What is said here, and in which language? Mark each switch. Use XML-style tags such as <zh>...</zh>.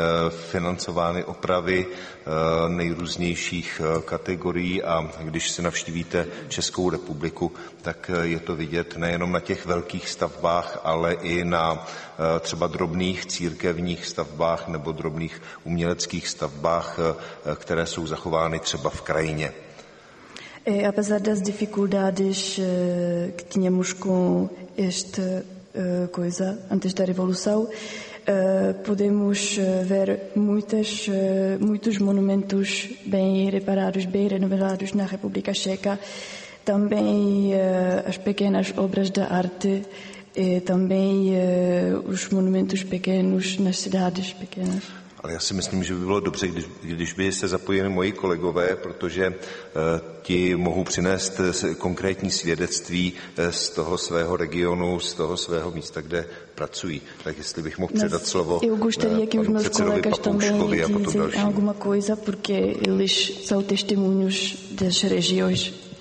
<cs>financovány opravy nejrůznějších kategorií a když si navštívíte Českou republiku, tak je to vidět nejenom na těch velkých stavbách, ale i na třeba drobných církevních stavbách nebo drobných uměleckých stavbách, které jsou zachovány třeba v krajině.</cs> <pt>E apesar das dificuldades que tínhamos com esta coisa antes da revolução, podemos ver muitos monumentos bem reparados, bem renovados na República Checa. Também as pequenas obras de arte e também os monumentos pequenos nas cidades pequenas.</pt> <cs>Ale já si myslím, že by bylo dobře, když by se zapojili moji kolegové, protože ti mohou přinést konkrétní svědectví z toho svého regionu, z toho svého místa, kde pracují. Tak jestli bych mohl předat slovo panu předsedovi Papouškovi a potom dalším.</cs> <pt>Alguma coisa, porque eles são testemunhos das regiões.</pt>